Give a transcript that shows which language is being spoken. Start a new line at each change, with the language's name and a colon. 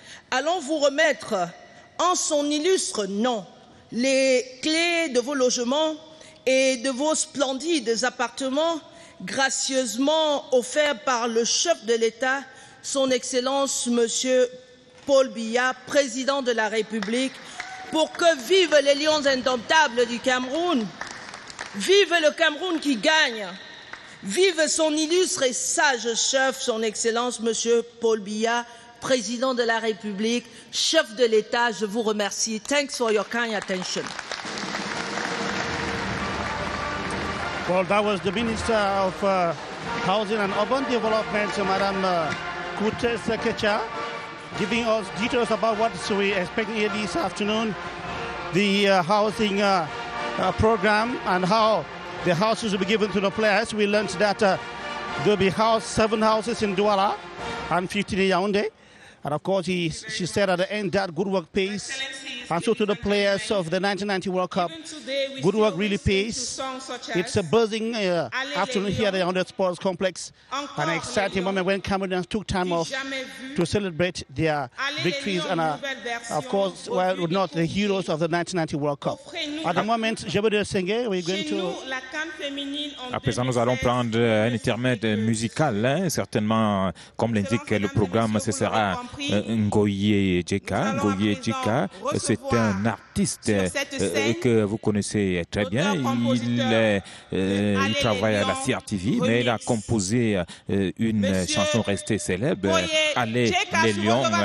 French: allons vous remettre en son illustre nom les clés de vos logements et de vos splendides appartements gracieusement offerts par le chef de l'État, Son Excellence Monsieur Paul Biya, président de la République, pour que vivent les lions indomptables du Cameroun. Vive le Cameroun qui gagne. Vive son illustre et sage chef, Son Excellence Monsieur Paul Biya, président de la République, chef de l'État, je vous remercie.
English: Thanks for your kind attention. Well, that was the Minister of Housing and Urban Development, Madame Kutes Kecha, giving us details about what we expect here this afternoon, the housing program and how the houses will be given to the players. We learned that there will be seven houses in Douala and 15 in Yaoundé. And of course, she said at the end that good work pays. And so to the players of the 1990 World Cup, good work really pays. It's a buzzing afternoon here at the Yaoundé Sports Complex. An exciting moment when Cameroonians took time off to celebrate their victories. And of course, well, not the heroes of the 1990 World Cup. At the moment, Jebede Senge, we're going to...
French: À présent, nous allons prendre un intermède musical. Hein, certainement, comme l'indique le programme, ce sera Ngoye Djeka. Ngoye Djeka, c'est un artiste que vous connaissez très bien. Il travaille à la CRTV, mais il a composé une chanson restée célèbre, Allez les Lions.